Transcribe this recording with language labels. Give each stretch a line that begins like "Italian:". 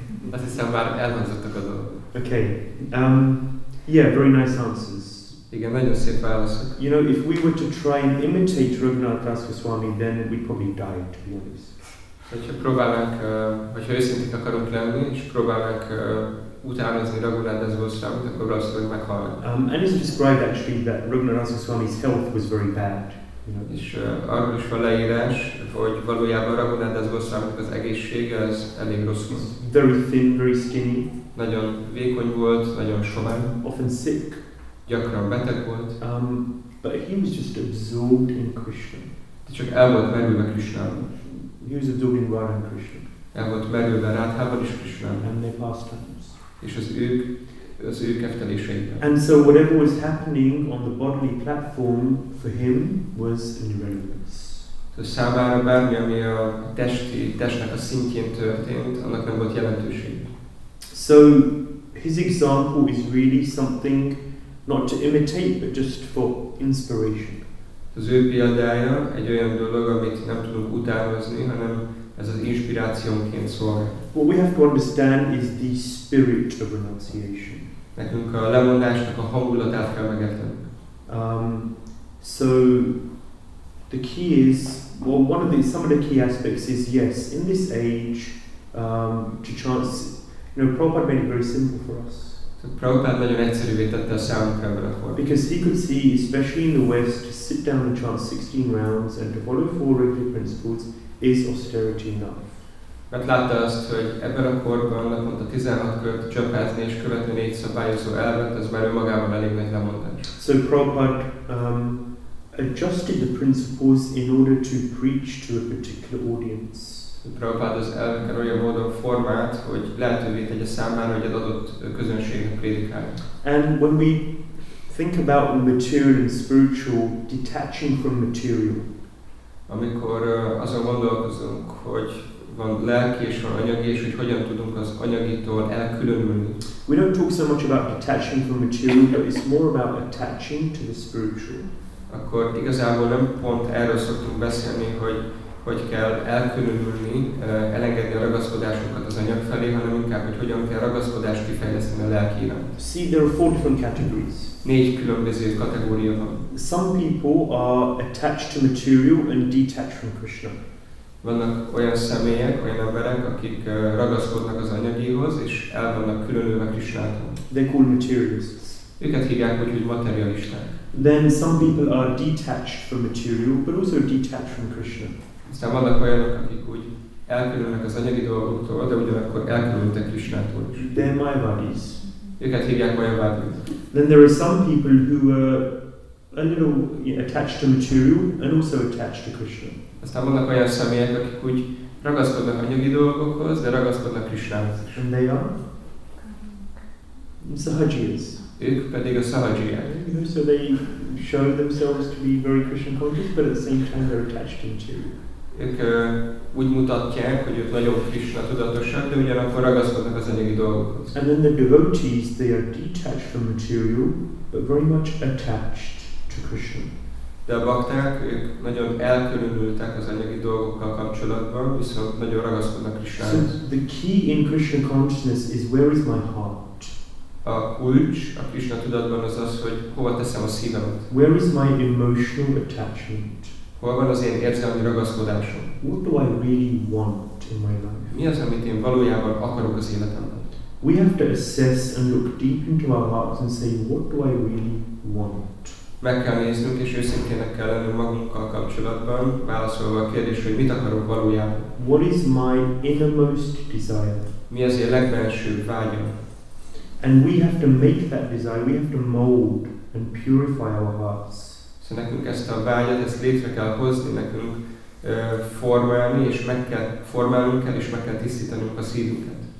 Hungarian: Azt hiszem, már elhangzottak a dolgok.
English: Okay. Yeah, very nice answers.
Hungarian: Igen, nagyon szép válaszok.
English: You know, if we were to try and imitate Raghunathdas Goswami, then we'd probably die, to be honest.
Hungarian: Hogyha próbálnánk, vagy ha őszintén akarunk lenni, és próbálnánk utánozni Raghunathdas Goswamit, akkor valószínűleg meghalni.
English: And it's described actually that Raghunathdas Goswami's health was very bad.
Hungarian: És arról is van leírás, hogy valójában Raghunathdas Goswaminak az egészsége az elég rossz volt.
English: Very thin, very skinny.
Hungarian: Nagyon vékony volt, nagyon sovány.
English: Often sick.
Hungarian: Gyakran beteg volt.
English: But he was just absorbed in Krishna.
Hungarian: De csak el volt merülve Krishnába.
English: He was absorbed in Radha Krishna.
Hungarian: El volt merülve Radhában is Krishnába.
English: And their pastimes.
Hungarian: És az ők az ő kefteléseiben.
English: And so whatever was happening on the bodily platform for him was irrelevant.
Hungarian: Tehát számára bármi, ami a testi, testnek a szintjén történt, annak nem volt jelentőség.
English: So his example is really something not to imitate, but just for inspiration.
Hungarian: Az ő példája egy olyan dolog, amit nem tudunk utánozni, hanem ez az inspirációnként szól.
English: What we have to understand is the spirit of renunciation.
Hungarian: Nekünk a lemondásnak a hangulatát kell megértenünk.
English: So the key is, well, one of the, some of the key aspects is, yes, in this age, to chance, you know, Prabhupada made it very simple for us.
Hungarian: Prabhupada nagyon egyszerűvé tette a számunkra ebben a formában.
English: Because he could see, especially in the West, to sit down and chant 16 rounds and to follow four regular principles is austerity enough.
Hungarian: Mert látta azt, hogy ebben a korban, naponta 16 kört csapázni és követni négy szabályozó elvet, az már önmagában elég nagy lemondás.
English: So Prabhupada adjusted the principles in order to preach to a particular audience.
Hungarian: Prabhupada az elveket olyan módon formált, hogy lehetővé tegye számára, hogy egy adott közönségnek prédikálja.
English: And when we think about material and spiritual detaching from material,
Hungarian: amikor azon gondolkozunk, hogy van lelki és van anyagi, és hogy hogyan tudunk az anyagitól elkülönülni.
English: We don't talk so much about detaching from material, but it's more about attaching to the spiritual.
Hungarian: Akkor igazából nem pont erről szoktunk beszélni, hogy hogy kell elkülönülni, elengedni a ragaszkodásunkat az anyag felé, hanem inkább, hogy hogyan kell ragaszkodást kifejleszteni a lelkére.
English: See, there are four different categories.
Hungarian: Négy különböző kategória van.
English: Some people are attached to material and detached from Krishna.
Hungarian: Vannak olyan személyek, olyan emberek, akik ragaszkodnak az anyagihoz, és el vannak különülve Krishnától.
English: They're called materialists.
Hungarian: Őket hívják úgy, hogy materialisták.
English: Then some people are detached from material, but also detached from Krishna.
Hungarian: Aztán vannak olyanok, akik úgy elkülönnek az anyagi dolgoktól, de ugyanakkor elkülönültek Krisnától is.
English: They're Mayavadis.
Hungarian: Őket hívják Mayavadis.
English: Then there are some people who are a little attached to material and also attached to Krishna.
Hungarian: Aztán vannak olyan személyek, akik úgy ragaszkodnak anyagi dolgokhoz, de ragaszkodnak Krisnához is.
English: And they are? Sahajiyas.
Hungarian: Ők pedig a Sahajiyas.
English: So they show themselves to be very Krishna conscious, but at the same time they're attached to material.
Hungarian: Ők úgy mutatják, hogy ők nagyon Krishna tudatosak, de ugyanakkor ragaszkodnak az anyagi dolgokhoz.
English: And then the devotees, they are detached from material, but very much attached to Krishna.
Hungarian: De a bakták, ők nagyon elkülönültek az anyagi dolgokkal kapcsolatban, viszont nagyon ragaszkodnak Krishnához.
English: So the key in Krishna consciousness is, where is my heart?
Hungarian: A kulcs a Krishna tudatban az az, hogy hova teszem a szívemet.
English: Where is my emotional attachment?
Hungarian: Hol van az én érzelmi ragaszkodásom?
English: What do I really want in my life?
Hungarian: Mi az, amit én valójában akarok az életemben?
English: We have to assess and look deep into our hearts and say, what do I really want?
Hungarian: Meg kell néznünk, és őszintének kell lennünk magunkkal kapcsolatban, válaszolva a kérdésre, hogy mit akarok valójában.
English: What is my innermost desire?
Hungarian: Mi az én legbelső vágyam?
English: And we have to make that desire, we have to mold and purify our hearts.
Hungarian: Nekünk ezt a vágyat, ezt létre kell hozni, nekünk formálni, és meg kell formálnunk kell, és meg kell tisztítanunk a szívünket.